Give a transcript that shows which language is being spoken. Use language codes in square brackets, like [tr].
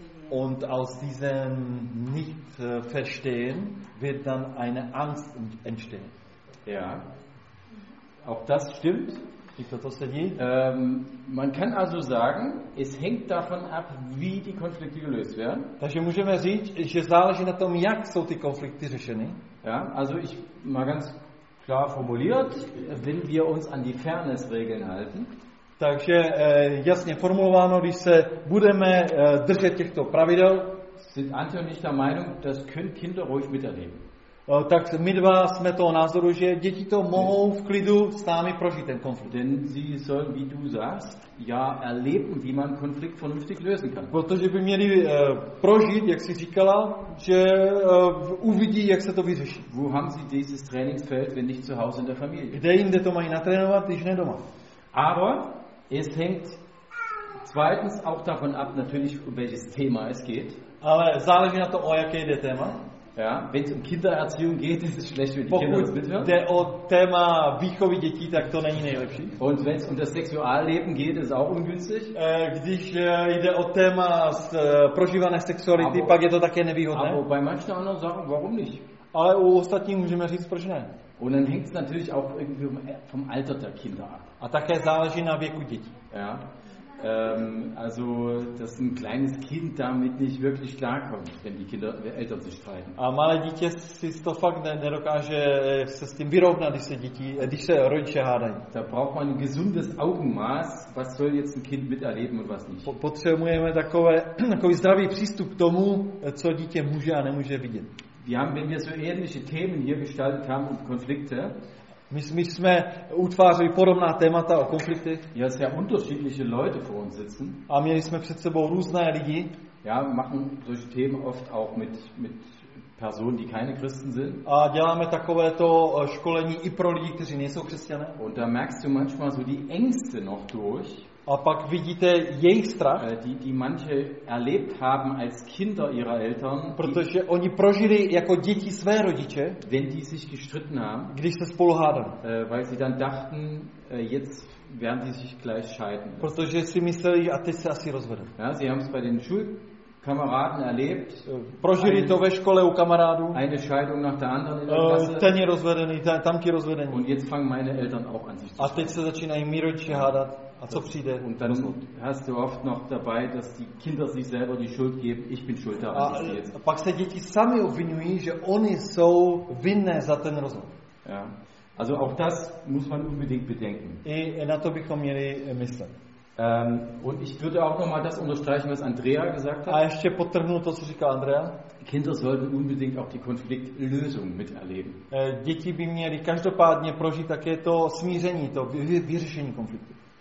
[de] Und aus diesem Nicht-Verstehen wird dann eine Angst entstehen. Ja, auch das stimmt. Man kann also sagen, es hängt davon ab, wie die Konflikte gelöst werden. [cs] Takže můžeme říct, že záleží na tom, jak jsou ty konflikty řešeny. [de] Ja, also ich mal ganz klar formuliert, wenn wir uns an die Fairness-Regeln halten. [cs] Takže jasně formulováno, když se budeme držet těchto pravidel. [de] Sind Antje und ich der Meinung, das können Kinder ruhig miterleben. [cs] Tak my dva jsme toho názoru, že děti to mohou v klidu s námi prožít ten konflikt. [de] Denn sie soll, wie du sagst, ja erleben, wie man Konflikt vernünftig lösen kann. [cs] Protože by měli prožít, jak jsi říkala, že uvidí, jak se to vyřeší. [de] Wo haben sie dieses Trainingsfeld, wenn nicht zu Hause in der Familie? [cs] Kde jinde to mají natrénovat, když ne doma? [de] Aber es hängt zweitens auch davon ab, natürlich, um welches Thema es geht. [cs] Ale záleží na to, o jaké jde téma. [de] Ja, wenn es um Kindererziehung geht, ist es schlecht, wenn die Kinder das mithören. [cs] Pokud jde o téma výchovy dětí, tak to není nejlepší. [de] Und wenn es um das Sexualleben geht, ist es auch ungünstig. [cs] Když jde o téma prožívané sexuality, pak je to také nevýhodné. [de] Aber bei manchen anderen Sachen, warum nicht? [cs] Ale u ostatních můžeme říct, proč ne. [de] Und dann hängt es natürlich auch irgendwie vom Alter der Kinder ab. [cs] A také záleží na věku dětí. [de] Ja. Also, dass ein kleines Kind damit nicht wirklich klarkommt, wenn die Kinder, die Eltern sich streiten. [cs] A malé dítě si to fakt nedokáže se s tím vyrovnat, když se rodiče hádají. [de] Da braucht man ein gesundes Augenmaß, was soll jetzt ein Kind miterleben und was nicht. [cs] Potřebujeme takový zdravý přístup k tomu, co dítě může a nemůže vidět. [de] Wenn wir so ähnliche Themen hier gestaltet haben und Konflikte, [cs] My jsme utvářeli podobná témata o konflikty. [de] Ja, sehr unterschiedliche Leute vor uns sitzen. [cs] A měli jsme před sebou různé lidi. [de] Ja, machen solche Themen oft auch mit Personen, die keine Christen sind. [cs] A děláme takovéto školení i pro lidi, kteří nejsou křesťané. [de] Und da merkst du manchmal so die Ängste noch durch. [cs] A pak vidíte jejich strach, [de] die manche erlebt haben als Kinder ihrer Eltern, [cs] protože oni prožili jako děti své rodiče, [de] wenn die sich gestritten haben, [cs] když se spolu hádali, [de] weil sie dann dachten, jetzt werden sie sich gleich scheiden. [cs] Protože si mysleli, a teď se asi rozvedou. [de] Ja, sie haben es bei den Schulkameraden erlebt, [cs] prožili to ve škole u kamarádů, [de] eine Scheidung nach der anderen in der Klasse, [cs] ten je rozvedený, tamky rozvedený. [de] Und jetzt fangen meine Eltern auch an sich zu streiten. [cs] A teď se začínají mý rodiče hádat. A co přijde? [de] Und dann hast du oft noch dabei, dass die Kinder sich selber die Schuld geben. Ich bin schuld daran, dass sie jetzt. [cs] A pak se děti sami obvinují, že oni jsou vinné za ten rozhod. [de] Ja. Also auch das muss man unbedingt bedenken. [cs] I na to bychom měli myslet. [de] Und ich würde auch noch mal das unterstreichen, was Andrea gesagt hat. [cs] A ještě potrhnu to, co říká Andrea. [de] Kinder sollten unbedingt auch die Konfliktlösung miterleben. [cs] Děti by měli každopádně prožít také to smíření, to vyřešení konfliktu.